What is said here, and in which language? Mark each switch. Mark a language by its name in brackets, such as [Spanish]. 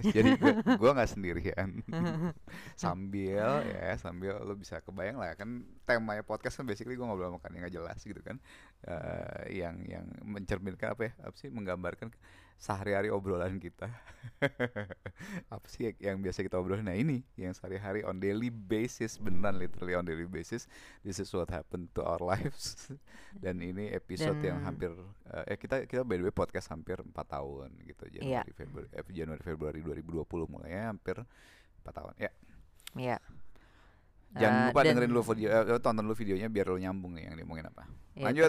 [Indonesian] Jadi gue nggak sendirian. Sambil ya, sambil lo bisa kebayang lah, kan temanya podcast kan basically gue ngobrol sama kan yang gak jelas gitu kan, yang mencerminkan apa ya? Apa sih? Menggambarkan sehari-hari obrolan kita. Apa sih yang biasa kita obrolin? Nah ini, yang sehari-hari [English] on daily basis. [Indonesian] Beneran, [English] literally on daily basis. This is what happened to our lives. [Indonesian] Dan ini episode yang hampir kita [English] by the way [Indonesian] podcast hampir 4 tahun gitu. Januari-Februari 2020 mulainya hampir 4 tahun ya. Iya. Jangan lupa dengerin dulu video, tonton dulu videonya biar lu nyambung nih yang diomongin apa. Lanjut.